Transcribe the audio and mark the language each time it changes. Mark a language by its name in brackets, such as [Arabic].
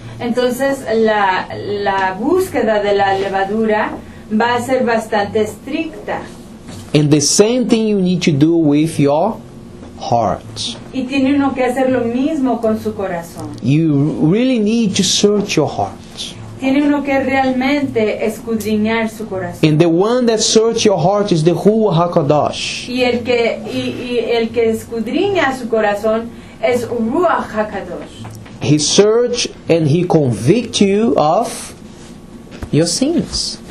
[Spanish] Entonces la búsqueda de la levadura va a ser bastante estricta. [English] And the same thing you need to do with your heart. [Spanish] Y tiene uno que hacer lo mismo con su corazón. [English] You really need to search your heart. [Spanish] Tiene uno que realmente escudriñar su corazón. [English] And the one that searches your heart is the Ruach HaKodesh. [Spanish] Y el que escudriña su corazón es Ruach HaKodesh. [English] He searches and he convicts you of your sins.